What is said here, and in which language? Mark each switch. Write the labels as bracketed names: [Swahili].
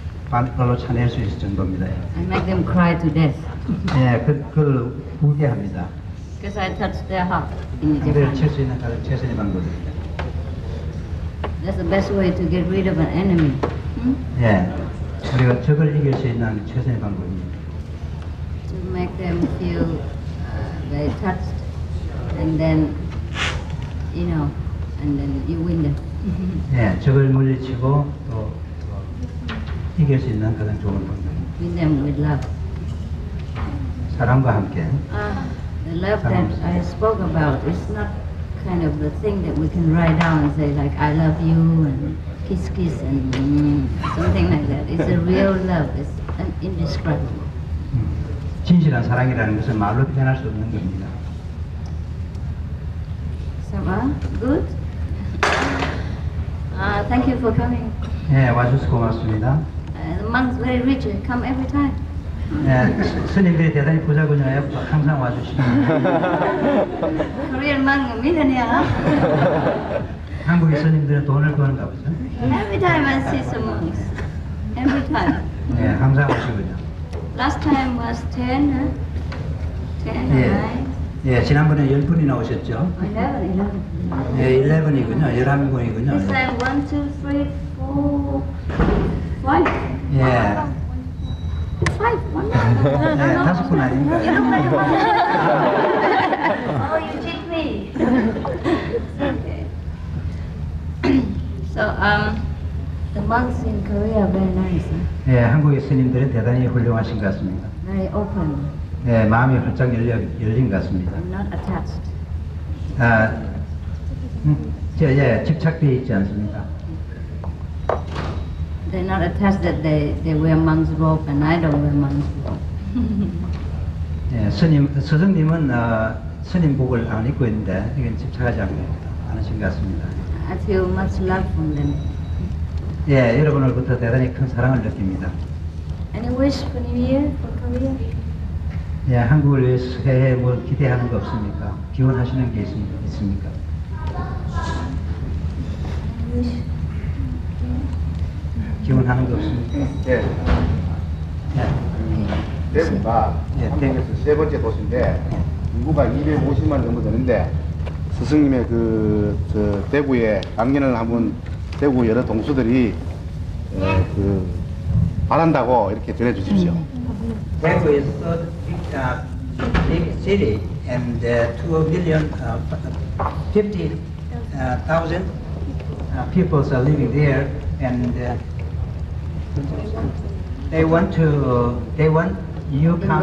[Korean] 발로 차낼 수 있을 정도입니다. [English] I make them cry to death. [Korean] 네, 그걸 울게 합니다. [English] Because I touch their heart. [Korean] 상대를 칠 수 있는 가장 최선의 방법입니다. [English] That's the best way to get rid of an enemy. [Korean] 네, 우리가 적을 이길 수 있는 최선의 방법입니다. [English] To make them feel very touched, and then, you know, and then you win them. [Korean] 네, 적을 물리치고 또 이길 수 있는 가장 좋은 방법입니다. [English] Win them with love. [Korean] 사랑과 함께. [English] The love that I spoke about is not kind of the thing that we can write down and say like I love you and kiss kiss and something like that. It's a real love. It's indescribable. [Korean] 진실한 사랑이라는 것은 말로 표현할 수 없는 겁니다. [English] So, good? Thank you for coming. [Korean] 네, 와주셔서 고맙습니다. [English] The monks very rich and come every time. [Korean] 네, 스님들이 대단히 부자군요. 항상 와주시고. [English] Korean monk, millionaire. [Korean] 한국의 스님들은 돈을 버는가 보죠. [English] Every time I see some monks. Every time. [Korean] 네, 항상 오시군요. [English] Last time was 10, 10 or 9. [Korean] 예, 지난번에 10분이나 오셨죠? [English] 11. [Korean] 예, 11이군요. 11명이군요. [English] This time 1, 2, 3, 4, 5. [Korean] 예. 1, 2, 5. 5분 아닌가? [English] You look like a monk. Oh, you cheat me. The monks in Korea are very nice. [Korean] Huh? 네, 한국의 스님들은 대단히 훌륭하신 것 같습니다. [English] Very open. [Korean] 네, 마음이 활짝 열린 것 같습니다. [English] I'm not attached. [Korean] 집착되어 있지 않습니까? [English] They're not attached that they wear monk's robe and I don't wear monk's robe. [Korean] 네, 스승님은 스님복을 안 입고 있는데 이건 집착하지 않으신 것 같습니다. [English] I feel much love from them. [Korean] 예, 여러분으로부터 대단히 큰 사랑을 느낍니다. [English] Any wish for New Year for Korea? [Korean] 예, 한국을 위해서 해외 뭐 기대하는 거 없습니까? 기원하시는 게 있습니까? [English] Wish. [Korean] 기원하는 거 없습니까? 예. 예. 대구가 한국에서 세 번째 도시인데 인구가 250만 정도 되는데 스승님의 그 저 대구에 강연을 한번 대구 여러 동수들이 그 바란다고 이렇게 전해주십시오. [English] Daegu is the big city and 2,050,000 people are living there and they want to, they want you come